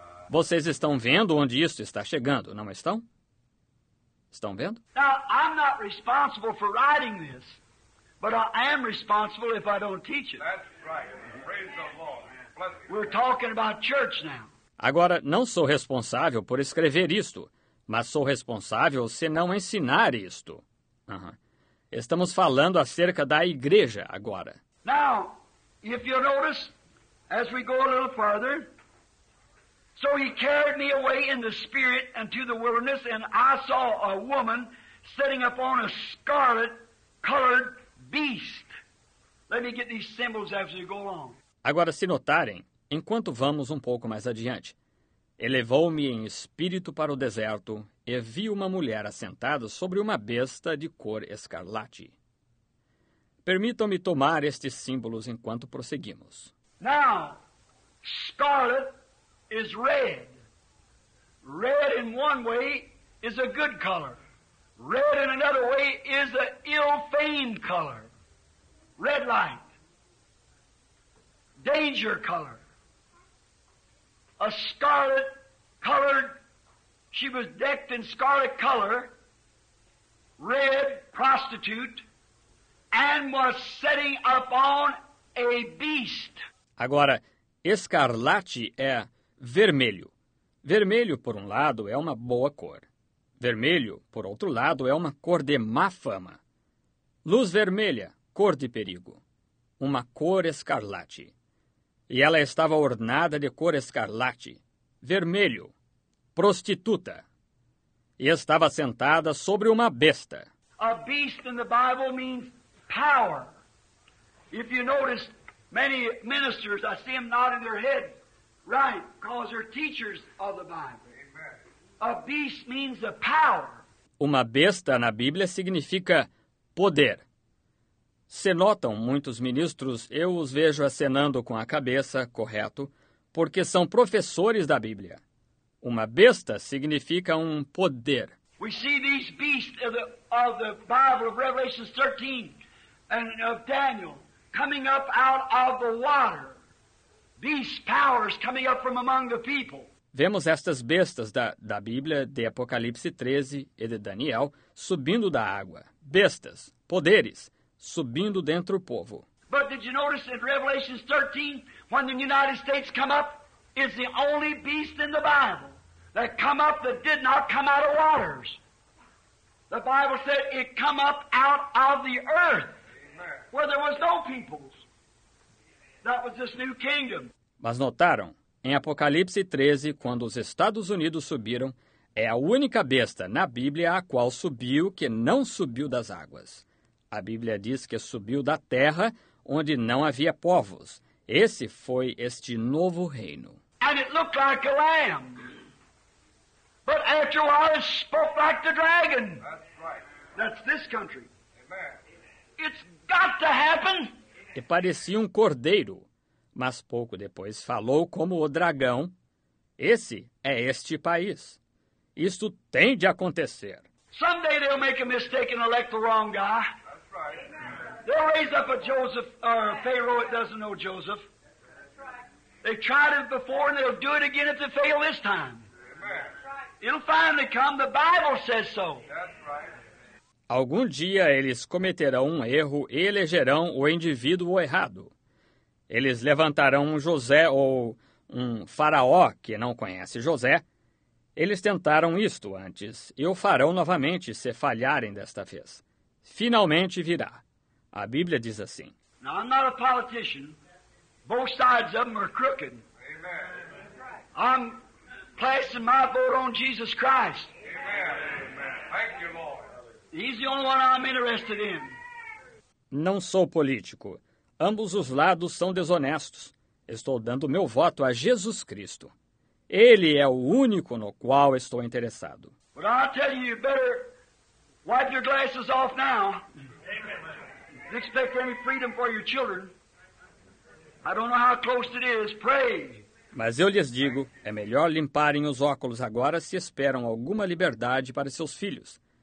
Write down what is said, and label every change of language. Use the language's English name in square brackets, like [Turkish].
[Portuguese] Vocês estão vendo onde isso está chegando, não estão? Estão vendo? [English] Now, I'm not responsible for writing this, but I am responsible if I don't teach it. That's right. Praise the Lord. We're talking about church now. [Portuguese] Agora, não sou responsável por escrever isto, mas sou responsável se não ensinar isto. Estamos falando acerca da igreja agora. [English] Now, if you notice, as we go a little farther, so he carried me away in the spirit into the wilderness, and I saw a woman sitting upon a scarlet-colored beast. Let me get these symbols as we go along. [Portuguese] Agora, se notarem, enquanto vamos um pouco mais adiante, elevou-me em espírito para o deserto e vi uma mulher assentada sobre uma besta de cor escarlate. Permitam-me tomar estes símbolos enquanto prosseguimos. [English] Now, scarlet is red. Red in one way is a good color. Red in another way is an ill-famed color. Red light. Danger color. A scarlet colored, she was decked in scarlet color, red prostitute, and was setting up on a beast. [Portuguese] Agora, escarlate é vermelho. Vermelho, por um lado, é uma boa cor. Vermelho, por outro lado, é uma cor de má fama. Luz vermelha, cor de perigo. Uma cor escarlate. E ela estava ornada de cor escarlate, vermelho, prostituta. E estava sentada sobre uma besta. [English] A beast in the Bible means power. If you notice, many ministers, I see them nodding their head, right, because they're teachers of the Bible. A beast means the power. [Portuguese] Uma besta na Bíblia significa poder. Se notam, muitos ministros, eu os vejo acenando com a cabeça, correto, porque são professores da Bíblia. Uma besta significa um poder. [English] We see these beasts of the Bible of Revelation 13 and of Daniel coming up out of the water. These powers coming up from among the people. [Portuguese] Vemos estas bestas da Bíblia, de Apocalipse 13 e de Daniel, subindo da água. Bestas, poderes. Subindo dentro do povo. [English] But did you notice in Revelation 13, when the United States come up, is the only beast in the Bible that come up that did not come out of waters? The Bible said it come up out of the earth, where there was no peoples. That was this new kingdom. [Portuguese] Mas notaram, em Apocalipse 13, quando os Estados Unidos subiram, é a única besta na Bíblia a qual subiu que não subiu das águas. A Bíblia diz que subiu da terra onde não havia povos. Esse foi este novo reino. [English] And it looked like a lamb. But after a while it spoke like the dragon. That's right. That's this country. Amen. It's got to happen. [Portuguese] E parecia um cordeiro, mas pouco depois falou como o dragão. Esse é este país. Isto tem de acontecer. [English] Someday they'll make a mistake and elect the wrong guy. They'll raise up a Joseph, Pharaoh that doesn't know Joseph. They've tried it before and they'll do it again if they fail this time. Amen. It'll finally come, the Bible says so. [Portuguese] Algum dia eles cometerão um erro e elegerão o indivíduo errado. Eles levantarão um José ou um faraó que não conhece José. Eles tentaram isto antes e o farão novamente se falharem desta vez. Finalmente virá. A Bíblia diz assim. [English] Now, I'm not a politician. Both sides of them are crooked. Amen. I'm placing my vote on Jesus Christ. Amen. Thank you, Lord. He's the only one I'm interested in. [Portuguese] Não sou político. Ambos os lados são desonestos. Estou dando meu voto a Jesus Cristo. Ele é o único no qual estou interessado. [English] But I'll tell you, you better wipe your glasses off now. Amen. Expect any freedom for your children. I don't know how close it is. Pray. [Portuguese] Mas eu lhes digo, é melhor limparem os óculos agora se esperam alguma liberdade para seus filhos.